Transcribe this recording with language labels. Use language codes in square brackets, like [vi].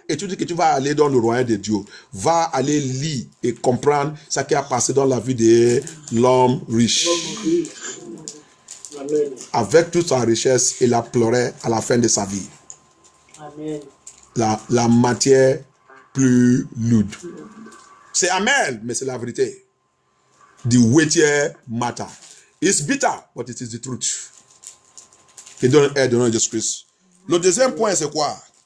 [fr] Et tu dis que tu vas aller dans le royaume de Dieu. Va aller lire et comprendre ce qui a passé dans la vie de l'homme riche. Amen. Avec toute sa richesse, il a pleuré à la fin de sa vie. Amen. La matière plus lourde. C'est amen, mais c'est la vérité. [en] The weightier matter. It's bitter, but it is the truth. [fr] Il donne l'aide de notre Jésus Christ. Le deuxième point, c'est quoi?